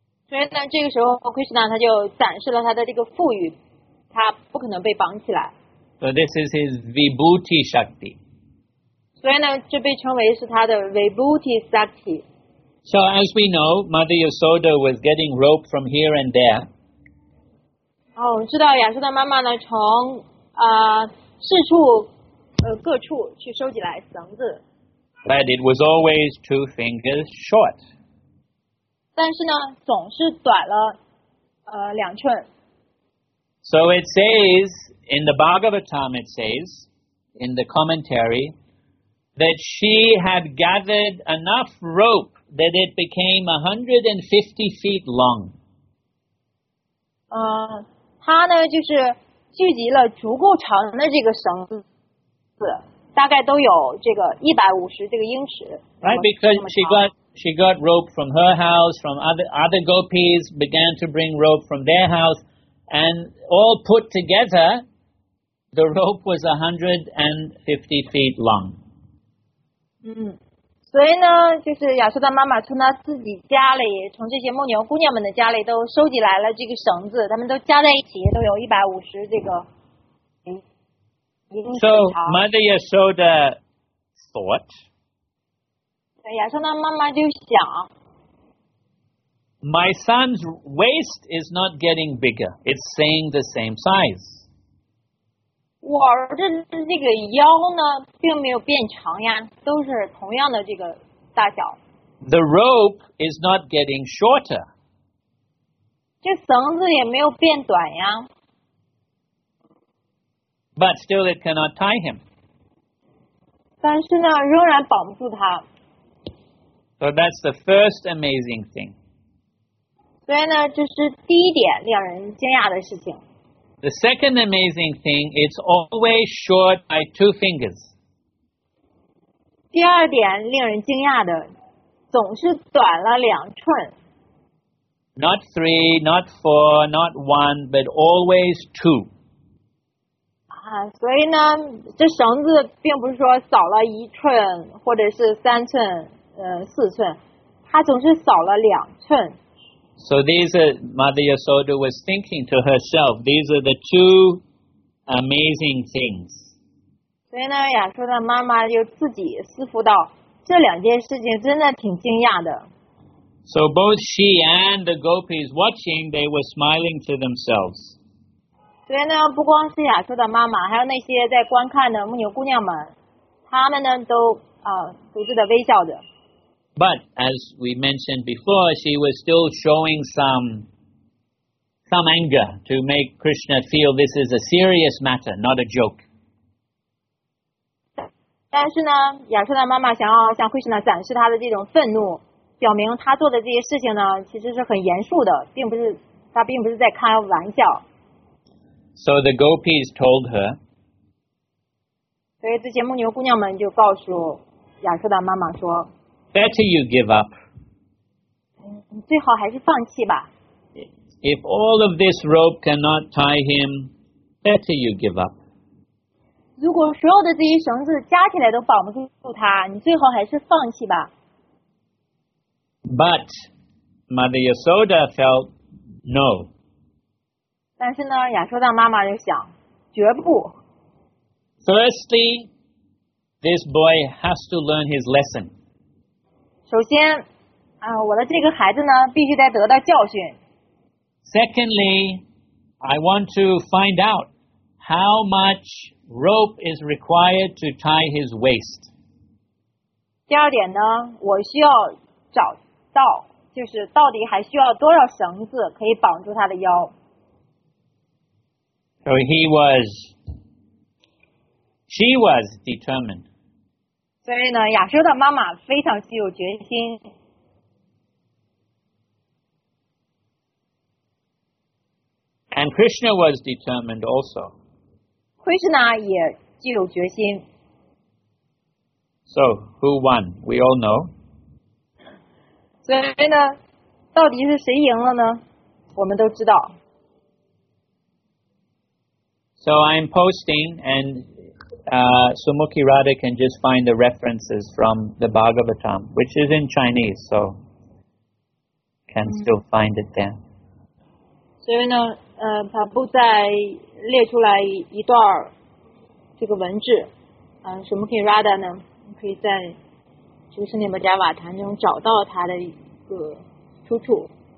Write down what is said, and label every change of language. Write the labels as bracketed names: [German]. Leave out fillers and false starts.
[Chinese] 所以呢，这个时候 Krishna 他就展示了他的这个富裕，他不可能被绑起来。 [English] So this is his vibhuti shakti. [Chinese] 所以呢，这被称为是他的 vibhuti shakti。 [English] So as we know, Mother Yasoda was getting rope from here and there. [Chinese] 哦，我知道亚瑟的妈妈呢，从四处各处去收集来绳子。 [English] But it was always two fingers short. [Chinese] 但是呢，总是短了两寸。 [English] So it says in the Bhagavatam, it says in the commentary. That she had gathered enough rope that it became 150 feet long. [Chinese] 她呢就是聚集了足够长的这个绳子，大概都有这个150这个英尺。 [English] Right, because she got rope from her house, from other gopis began to bring rope from their house, and all put together, the rope was 150 feet long. [Chinese] 所以呢，就是亚瑟的妈妈从她自己家里，从这些牧牛姑娘们的家里都收集来了这个绳子，她们都加在一起都有150这个。 [English] So Mother Yasoda thought. [Chinese] 对，亚瑟的妈妈就想。 [English] My son's waist is not getting bigger. It's staying the same size. [Chinese] 我儿子这个腰呢，并没有变长呀，都是同样的这个大小。 [English] The rope is not getting shorter. [Chinese] 这绳子也没有变短呀。 [English] But still, it cannot tie him. [Chinese] 但是呢，仍然绑不住他。 [English] So that's the first amazing thing. [Chinese] 所以呢，这是第一点令人惊讶的事情。 [English] The second amazing thing, it's always short by two fingers. [Chinese] 第二点令人惊讶的，总是短了两寸。 [English] Not three, not four, not one, but always two. [Chinese] 所以呢，这绳子并不是说少了一寸，或者是三寸，四寸，它总是少了两寸。 [English] So these are, Mother Yasoda was thinking to herself, these are the two amazing things. [Chinese] 所以呢，亚瑟的妈妈就自己思索到，这两件事情真的挺惊讶的。 [English] So both she and the gopis watching, they were smiling to themselves. [Chinese] 所以呢，不光是亚瑟的妈妈，还有那些在观看的牧牛姑娘们，她们呢都独自的微笑着。 [English] But as we mentioned before, she was still showing some anger to make Krishna feel this is a serious matter, not a joke. [Chinese] 但是呢，亚瑟的妈妈想要向 Krishna 展示她的这种愤怒，表明她做的这些事情呢，其实是很严肃的，并不是在开玩笑。 [English] So the gopis told her. [Chinese] 所以这些牧牛姑娘们就告诉亚瑟的妈妈说。 [English] Better you give up. [Chinese] 最好还是放弃吧。 [English] If all of this rope cannot tie him, better you give up. [Chinese] 如果所有的这些绳子加起来都绑不住他，你最好还是放弃吧。 [English] But Mother Yasoda felt no. [Chinese] 但是呢，亚瑟的妈妈就想，绝不。 [English] Firstly, this boy has to learn his lesson. [Chinese] 首先，我的这个孩子呢，必须得到教训。 [English] Secondly, I want to find out how much rope is required to tie his waist. [Chinese] 第二点呢，我需要找到，就是到底还需要多少绳子可以绑住他的腰。 [English] So he was, she was determined. [Chinese] 所以呢，亚舒的妈妈非常具有决心。 [English] And Krishna was determined also. [Chinese] Krishna 也具有决心。 [English] So, who won? We all know. [Chinese] 所以呢，到底是谁赢了呢？我们都知道。 [English] So I'm posting, and Sumukhi Radha can just find the references from the Bhagavatam, which is in Chinese, so can still find it there. [Chinese] 所以呢，他不再列出来一段这个文字，Sumukhi Radha 呢可以在这个圣涅巴加瓦坛中找到他的一个出处。